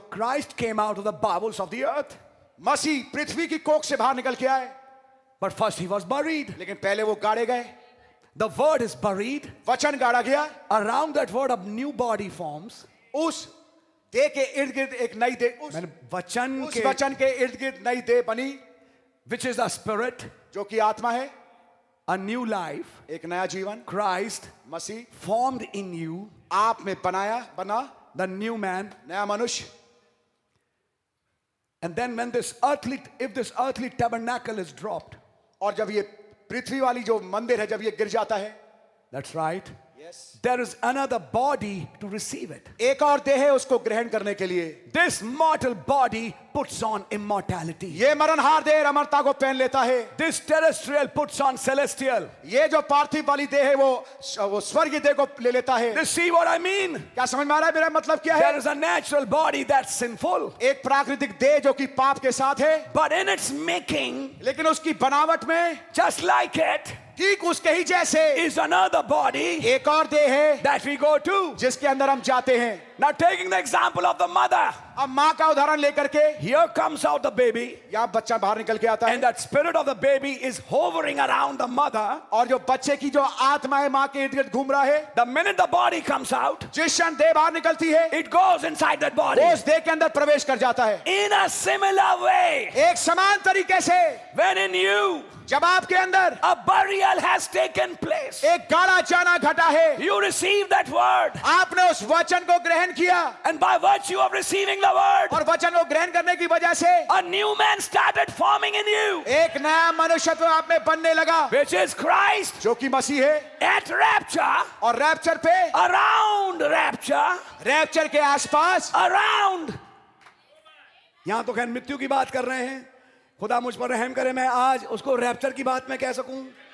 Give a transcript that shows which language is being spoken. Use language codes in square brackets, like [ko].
[en] Christ came out of the bowels of the earth. [hi] मसीह पृथ्वी की कोख से बाहर निकल के आए. [en] But first he was buried. [hi] लेकिन पहले वो गाड़े गए. [en] The word is buried. [hi] वचन गाड़ा गया. [en] Around that word a new body forms. [hi] उस देह के इर्द गिर्द एक नई देह. उस वचन के इर्द गिर्द नई देह बनी. [en] Which is a spirit. [hi] जो कि आत्मा है. [en] A new life. [hi] एक नया जीवन. [en] Christ. [hi] Masih. [en] Formed in you. [hi] आप में बनाया बना. [en] The new man. [hi] नया मनुष्य. [en] And then when this earthly tabernacle is dropped, [hi] और जब ये पृथ्वी वाली जो मंदिर है जब ये गिर जाता है, [en] That's right. Yes. There is another body to receive it. [hi] एक और देह है उसको ग्रहण करने के लिए. [en] This mortal body puts on immortality. [hi] ये मरणहार देह अमरता को पहन लेता है. [en] This terrestrial puts on celestial. [hi] ये जो पार्थिव वाली देह है वो स्वर्गीय देह को ले लेता है. [en] This see what I mean? [hi] क्या समझ में आ रहा है मेरा मतलब क्या है? [en] There is a natural body that's sinful. [hi] एक प्राकृतिक देह जो कि पाप के साथ है. [en] But in its making. [hi] लेकिन उसकी बनावट में. [en] Just like it. [hi] ठीक उसके ही जैसे [en] is another body [hi] एक और देह है [en] that we go to [hi] जिसके अंदर हम जाते हैं. [en] Now taking the example of the mother [hi] अब माँ का उदाहरण लेकर के [en] here comes out the baby [hi] यहाँ बच्चा बाहर निकल के आता है [en] and that spirit of the baby is hovering around the mother [hi] और जो बच्चे की जो आत्मा है माँ के इर्द गिर्द घूम रहा है. [en] The minute the body comes out [hi] जिस क्षण देह बाहर निकलती है [en] it goes inside that body [hi] उस देह के अंदर प्रवेश कर जाता है. [en] In a similar way [hi] एक समान तरीके से [en] when in you [hi] जब आपके अंदर [en] a burial has taken place [hi] एक गाड़ा जाना घटा है [en] you receive that word [hi] आपने उस वचन को ग्रहण किया [en] and by virtue of receiving the word [hi] और वचन को ग्रहण करने की वजह से [en] a new man started forming in you [hi] एक नया मनुष्य तो आप में बनने लगा [en] which is Christ [hi] जो कि मसीह है [en] at rapture [hi] और रैप्चर पे [en] around rapture [hi] रैप्चर के आसपास [en] around [hi] यहां तो खैर मृत्यु की बात कर रहे हैं. खुदा मुझ पर रहम करे मैं आज उसको रैप्चर की बात में कह सकूं.